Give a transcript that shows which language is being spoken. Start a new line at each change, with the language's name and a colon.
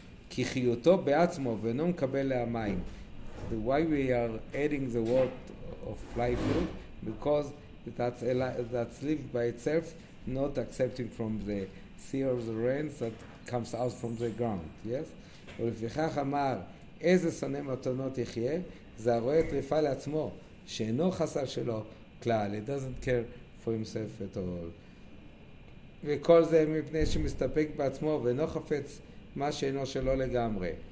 Hebrew: כי חיותו בעצמו ואינו מקבל המים.
English: Why we are adding the word of life? Because that's lived by itself, not accepting from the sea or the rains that comes out from the ground. Yes?
Hebrew: ולפיכך אמר, איזה שונא מתנות יחיה, זה הרואה טריפה לעצמו, שאינו חסר שלו כלל.
English: It doesn't care for himself at all.
Hebrew: וכל זה מפני שמסתפק בעצמו ואינו חפץ מה שאינו שלו לגמרי.